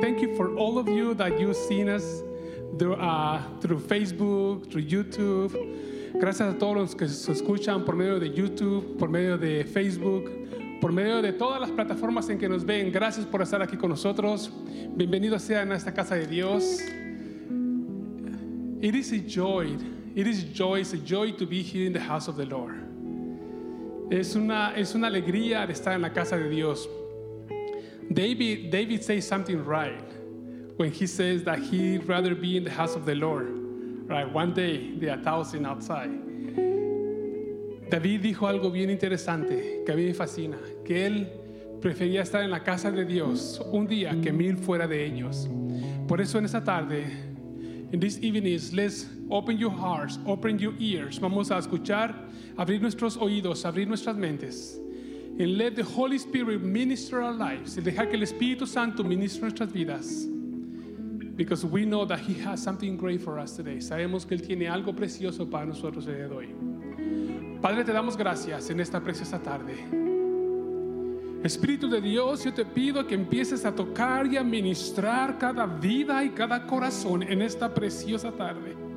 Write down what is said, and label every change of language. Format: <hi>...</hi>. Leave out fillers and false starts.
<en>Thank you for all of you that you've seen us through Facebook, through YouTube.</en> <es>Gracias a todos los que se escuchan por medio de YouTube, por medio de Facebook, por medio de todas las plataformas en que nos ven. Gracias por estar aquí con nosotros. Bienvenidos sean a esta casa de Dios.</es> <en>It is a joy. It is joy. It's a joy to be here in the house of the Lord.</en> <es>Es una alegría de estar en la casa de Dios.</es> <en>David says something right when he says that he'd rather be in the house of the Lord, right? One day, the 1,000 outside.</en> <es>David dijo algo bien interesante que a mí me fascina, que él prefería estar en la casa de Dios un día que mil fuera de ellos. Por eso en esta tarde,</es> <en>in this evening, let's open your hearts, open your ears.</en> <es>Vamos a escuchar, abrir nuestros oídos, abrir nuestras mentes.</es> <en>And let the Holy Spirit minister our lives.</en> <es>Y dejar que el Espíritu Santo ministre nuestras vidas.</es> <en>Because we know that He has something great for us today.</en> <es>Sabemos que Él tiene algo precioso para nosotros el día de hoy. Padre, te damos gracias en esta preciosa tarde. Espíritu de Dios, yo te pido que empieces a tocar y a ministrar cada vida y cada corazón en esta preciosa tarde.</es>